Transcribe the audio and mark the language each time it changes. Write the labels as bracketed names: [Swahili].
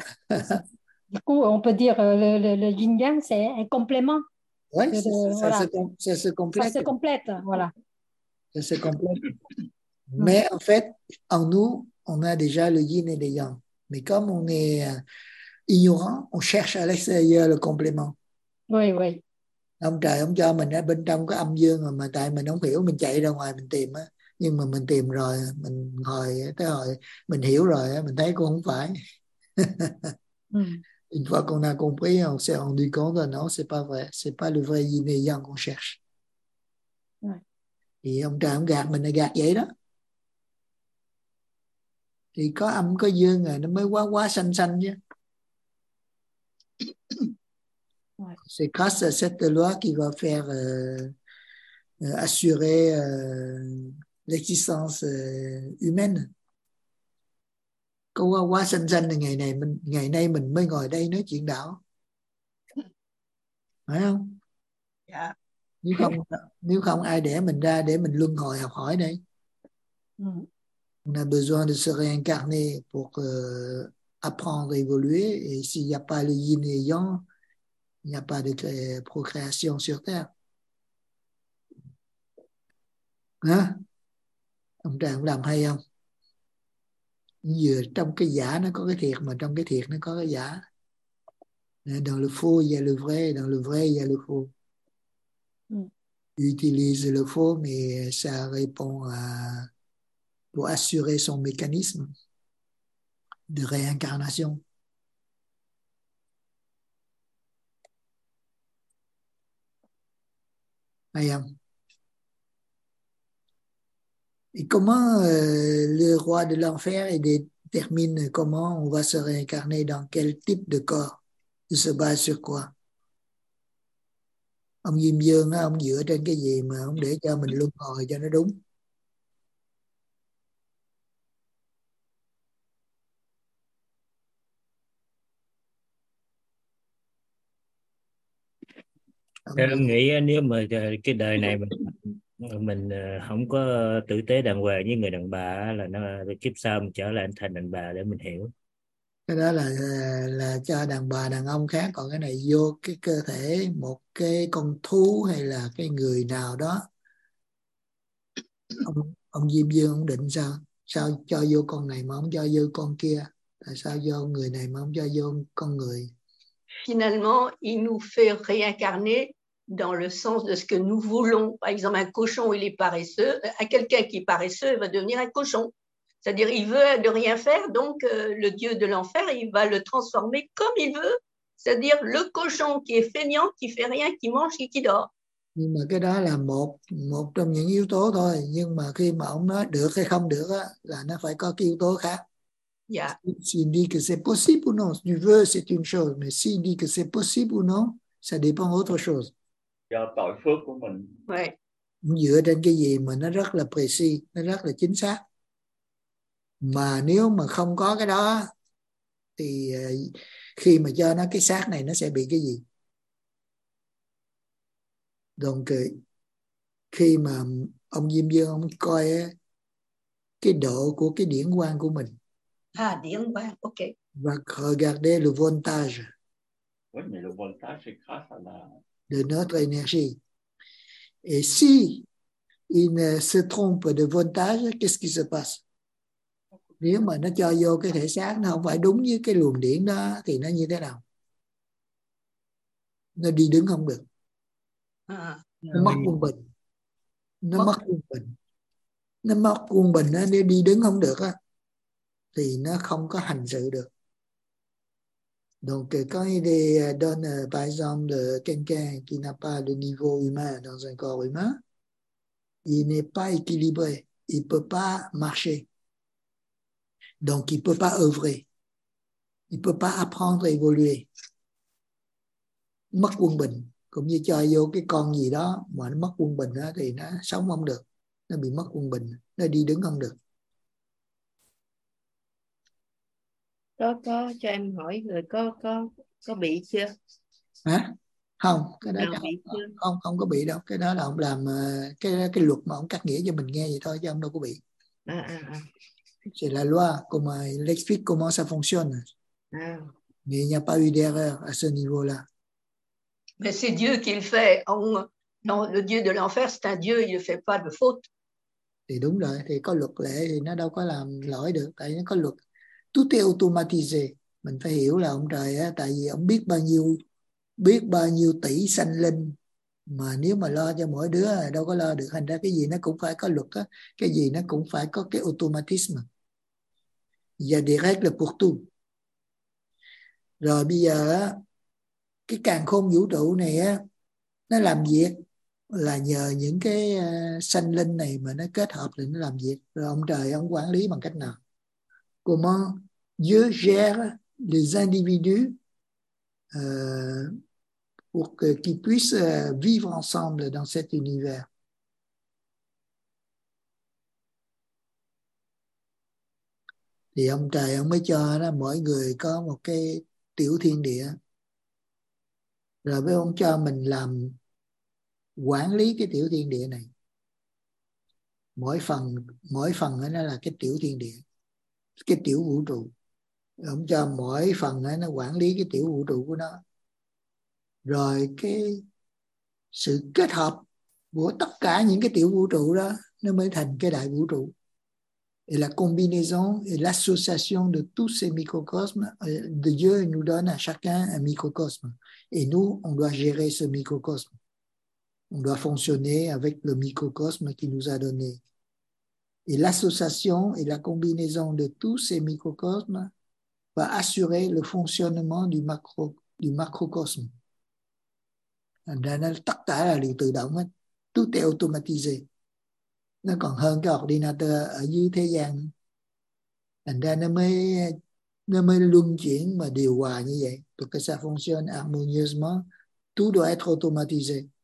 [French] Du coup, on peut dire le yin-yang, c'est un complément. Oui, ça se complète. Voilà. Ça se complète. Mais en fait, en nous, on a déjà le yin et le yang. Mais comme on est ignorant, on cherche à l'extérieur le complément. Oui, oui. [Vietnamese] Ông trời ông cho mình ở bên trong có âm dương mà tại mình không hiểu mình chạy ra ngoài mình tìm á. Nhưng mà mình tìm rồi, mình hồi tới hồi mình hiểu rồi á, mình thấy cũng không phải. [French] Une fois qu'on a compris, on s'est rendu compte, non, c'est pas vrai. C'est pas le vrai yin et yang qu'on cherche. Ouais. Et [Vietnamese] ông trời ông gạt mình là gạt vậy đó. Thì có âm có dương rồi, nó mới quá quá xanh xanh chứ. [French] Ouais. C'est grâce à cette loi qui va faire assurer l'existence humaine. [Vietnamese] Có quá quá xanh xanh thì ngày nay mình mới ngồi đây nói chuyện đạo. Phải không? [English] Yeah. [Vietnamese] Nếu không ai đẻ mình ra để mình luân hồi học hỏi đây. [French] On a besoin de se réincarner pour apprendre à évoluer. Et s'il n'y a pas le yin et yang, il n'y a pas de procréation sur Terre. Hein? [Vietnamese] Ông trời ông làm hay không? Vừa trong cái giả nó có cái thiệt, mà trong cái thiệt nó có cái giả. [French] Dans le faux, il y a le vrai. Dans le vrai, il y a le faux. Utilise le faux, mais ça répond à pour assurer son mécanisme de réincarnation. Ayam. Et comment le roi de l'enfer détermine comment on va se réincarner dans quel type de corps? Il se base sur quoi? [Vietnamese] Ông Diêm Vương á, ông dựa trên cái gì mà ông để cho mình luân hồi cho nó đúng? Em nghĩ nếu mà cái đời này mình không có tử tế đàng hoàng như người đàn bà là nó kiếp sau mình trở lại thành đàn bà để mình hiểu. Cái đó là cho đàn bà đàn ông khác, còn cái này vô cái cơ thể một cái con thú hay là cái người nào đó. Ông Diêm Vương ông định sao? Sao cho vô con này mà không cho vô con kia? Tại sao vô người này mà không cho vô con người? [French] Finalement, il nous fait réincarner dans le sens de ce que nous voulons. Par exemple, un cochon, il est paresseux. À quelqu'un qui est paresseux, il va devenir un cochon. C'est-à-dire, il veut de rien faire, donc le dieu de l'enfer, il va le transformer comme il veut. C'est-à-dire, le cochon qui est feignant, qui fait rien, qui mange et qui dort. [Vietnamese] Nhưng mà cái đó là một trong những yếu tố thôi. Nhưng mà khi mà ông nói được hay không được á, là nó phải có cái yếu tố khác. [English] Yeah. [French] S'il dit que c'est possible ou non, si tu veux, c'est une chose. Mais s'il dit que c'est possible ou non, ça dépend d'autre chose. [Vietnamese] Do tội phước của mình. [French] Ouais. [Vietnamese] Dựa trên cái gì mà nó rất là [French] précis, [Vietnamese] nó rất là chính xác. Mà nếu mà không có cái đó thì khi mà cho nó cái xác này nó sẽ bị cái gì? Donc khi mà ông Diêm Vương ông coi cái độ của cái điển quang của mình. Ah, điển quang, ok. Và [French] regarder le voltage. Oui, mais le voltage c'est grâce à la... de notre énergie. Et si il ne se trompe de voltage, qu'est-ce qui se passe? [Vietnamese] Nếu mà nó cho vô cái thể xác nó không phải đúng như cái luồng điện đó thì nó như thế nào? Nó đi đứng không được. Nó mất quân bình. Nó mất quân bình. Nó mất quân bình á, nếu đi đứng không được á thì nó không có hành sự được. [French] Donc quand il donne par exemple quelqu'un qui n'a pas le niveau humain dans un corps humain, il n'est pas équilibré, il peut pas marcher. Donc, il ne peut pas œuvrer. Il ne peut pas apprendre à évoluer. [Vietnamese] Mất quân bình. Cũng như cho vô cái con gì đó mà nó mất quân bình thì nó sống không được. Nó bị mất quân bình. Nó đi đứng không được. Có cho em hỏi người có bị chưa? Hả? Không. Cái đó không có bị đâu. Cái đó là ông làm cái luật mà ông cắt nghĩa cho mình nghe vậy thôi. Chứ ông đâu có bị. [French] C'est la loi, comment il explique comment ça fonctionne. Ah. Mais il n'y a pas eu d'erreur à ce niveau-là. Mais c'est Dieu qui le fait. Non, le Dieu de l'enfer, c'est un Dieu, il ne fait pas de faute. C'est [Vietnamese] đúng rồi, thì có luật lệ thì nó đâu có làm lỗi được. Tại nó có luật. [French] Tout est automatisé. [Vietnamese] Mình phải hiểu là ông trời, tại vì ông biết bao nhiêu tỷ sanh linh. Mà nếu mà lo cho mỗi đứa đâu có lo được, thành ra cái gì nó cũng phải có luật á, cái gì nó cũng phải có cái automatisme. [French] Il y a des règles pour tout. [Vietnamese] Rồi bây giờ á, cái càn khôn vũ trụ này á, nó làm việc là nhờ những cái sanh linh này mà nó kết hợp để nó làm việc. Rồi ông trời ông quản lý bằng cách nào? [French] Comment Dieu gère les individus pour qu'ils puissent vivre ensemble dans cet univers. [Vietnamese] Thì ông trời ông mới cho đó, mỗi người có một cái tiểu thiên địa. Rồi mới ông cho mình làm quản lý cái tiểu thiên địa này. Mỗi phần nó là cái tiểu thiên địa, cái tiểu vũ trụ. Ông cho mỗi phần nó quản lý cái tiểu vũ trụ của nó. Rồi cái sự kết hợp của tất cả những cái tiểu vũ trụ đó nó mới thành cái đại vũ trụ. [French] Et la combinaison et l'association de tous ces microcosmes, Dieu nous donne à chacun un microcosme. Et nous, on doit gérer ce microcosme. On doit fonctionner avec le microcosme qu'il nous a donné. Et l'association et la combinaison de tous ces microcosmes va assurer le fonctionnement du macrocosme. Tout est automatisé. [Vietnamese] Nó còn hơn cái ordinateur ở dưới thế gian. Thành ra nó mới luân chuyển mà điều hòa như vậy. Tôi cái sao [French] fonctionne harmonieusement. Tout doit être automatisé.